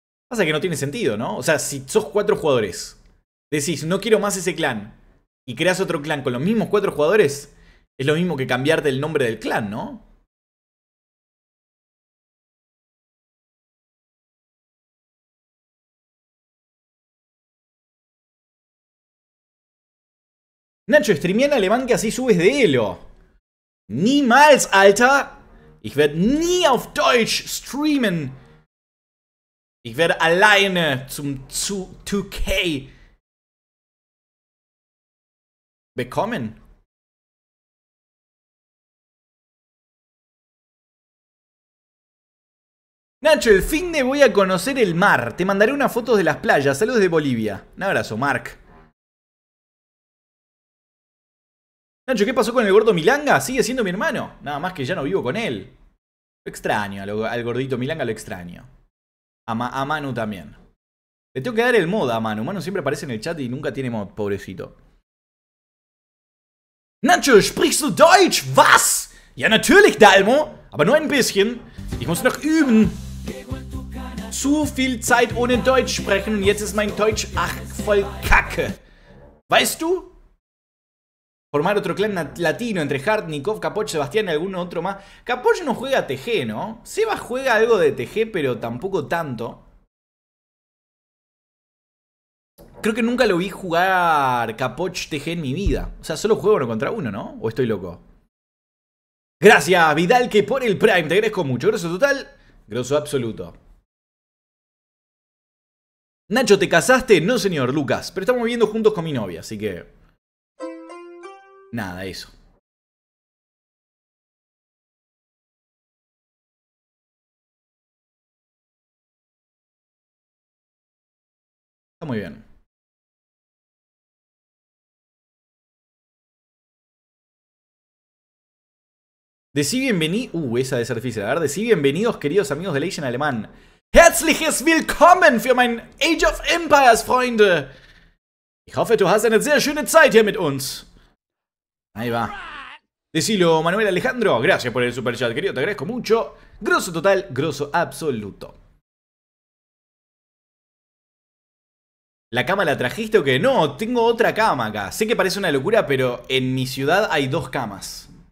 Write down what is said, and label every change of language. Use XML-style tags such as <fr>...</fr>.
<es>Pasa que no tiene sentido, ¿no? O sea, si sos 4 jugadores, decís, no quiero más ese clan, y creas otro clan con los mismos 4 jugadores, es lo mismo que cambiarte el nombre del clan, ¿no? Nacho, streamea en alemán que así subes de elo.</es> <de>Niemals, Alter. Ich werde nie auf Deutsch streamen. Ich werde alleine zum 2K bekommen.</de> <es>Nacho, el fin de voy a conocer el mar. Te mandaré unas fotos de las playas. Saludos de Bolivia. Un abrazo, Mark. Nacho, ¿qué pasó con el gordo Milanga? Sigue siendo mi hermano. Nada más que ya no vivo con él. Lo extraño, al gordito Milanga lo extraño. A Manu también. Le tengo que dar el mod a Manu. Manu siempre aparece en el chat y nunca tiene mod, pobrecito. Nacho,</es> <de>¿sprichst du Deutsch? ¿Was? Ja, natürlich, Dalmo. Aber nur ein bisschen. Ich muss noch üben. Zu viel Zeit ohne Deutsch sprechen und jetzt ist mein Deutsch ach voll kacke. Weißt du?</de> <es>Formar otro clan latino entre Hart, Nikov, Capoch, Sebastián y algún otro más. Capoch no juega TG, ¿no? Seba juega algo de TG, pero tampoco tanto. Creo que nunca lo vi jugar Capoch TG en mi vida. O sea, solo juego uno contra uno, ¿no? ¿O estoy loco? Gracias, Vidal, que por el Prime. Te agradezco mucho. Grosso total, grosso absoluto. Nacho, ¿te casaste? No, señor Lucas. Pero estamos viviendo juntos con mi novia, así que... nada, eso. Está muy bien. Decí bienvenido. Esa debe ser difícil. A ver, decí bienvenidos, queridos amigos de Age en alemán.</es> <de>Herzliches Willkommen für mein Age of Empires, Freunde. Ich hoffe, du hast eine sehr schöne Zeit hier mit uns.</de> <es>Ahí va. Decilo, Manuel Alejandro. Gracias por el super chat, querido. Te agradezco mucho. Grosso total, grosso absoluto. ¿La cama la trajiste o qué? No, tengo otra cama acá. Sé que parece una locura, pero en mi ciudad hay dos camas.</es>